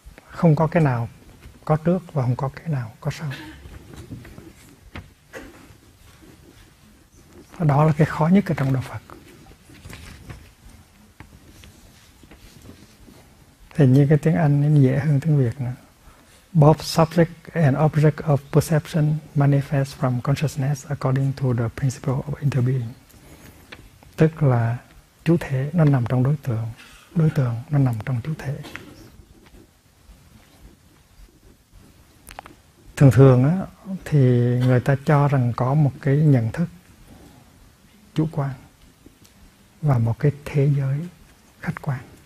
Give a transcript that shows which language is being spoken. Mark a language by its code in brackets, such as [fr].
[vi] Không có cái nào có trước và không có cái nào có sau. Đó là cái khó nhất ở trong Đạo Phật. Thì như cái tiếng Anh nó dễ hơn tiếng Việt nữa. [en] Both subject and object of perception manifest from consciousness according to the principle of interbeing. [vi] Tức là chủ thể nó nằm trong đối tượng nó nằm trong chủ thể. Thường thường á, thì người ta cho rằng có một cái nhận thức chủ quan và một cái thế giới khách quan.